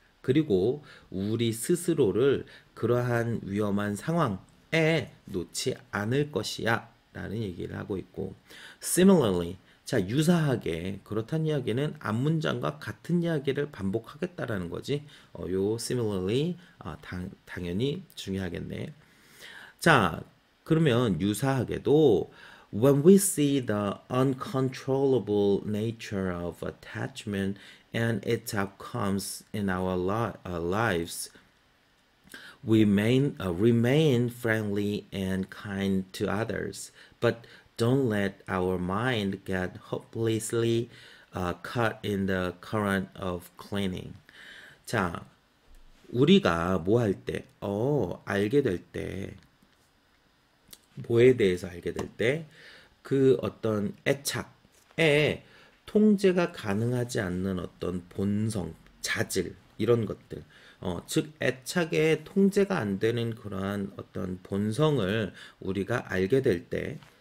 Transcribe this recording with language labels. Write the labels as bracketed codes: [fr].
[ko] 그리고 우리 스스로를 그러한 위험한 상황에 놓지 않을 것이야라는 얘기를 하고 있고. [en] Similarly. [ko] 자, 유사하게 그렇단 이야기는 앞 문장과 같은 이야기를 반복하겠다라는 거지. 요 similarly 당연히 중요하겠네. 자, 그러면 유사하게도 [en] when we see the uncontrollable nature of attachment and its outcomes in our lives, we remain friendly and kind to others, but don't let our mind get hopelessly caught in the current of clinging. [ko] 자, 우리가 뭐할 때? 알게 될 때, 뭐에 대해서 알게 될 때, 그 어떤 애착에 통제가 가능하지 않는 어떤 본성, 자질 이런 것들. 즉, 애착에 통제가 안 되는 그러한 어떤 본성을 우리가 알게 될 때.